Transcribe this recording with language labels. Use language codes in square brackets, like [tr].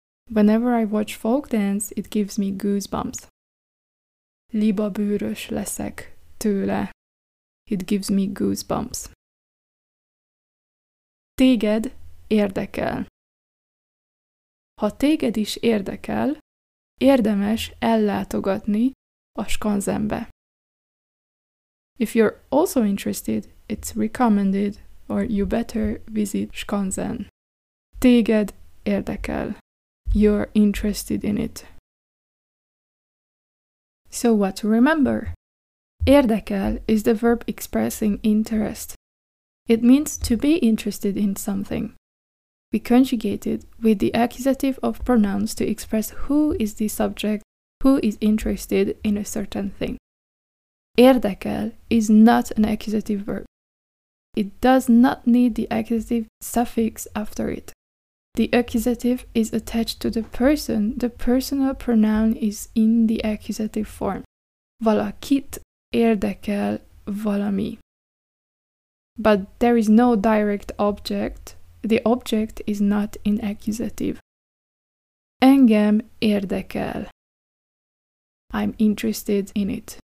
[en] Whenever I watch folk dance, it gives me goosebumps. [hu] Libabőrös leszek tőle. [en] It gives me goosebumps. [hu] Téged érdekel. Ha téged is érdekel, érdemes ellátogatni a skanzenbe. [en] If you're also interested, it's recommended or you better visit skanzen. [hu] Téged érdekel. [en] You're interested in it. So what to remember? Érdekel is the verb expressing interest. It means to be interested in something. We conjugate it with the accusative of pronouns to express who is the subject, who is interested in a certain thing. Érdekel is not an accusative verb. It does not need the accusative suffix after it. The accusative is attached to the person, the personal pronoun is in the accusative form. [hu] Valakit érdekel valami. [en] But there is no direct object. The object is not in accusative. [hu] Engem érdekel. [en] I'm interested in it.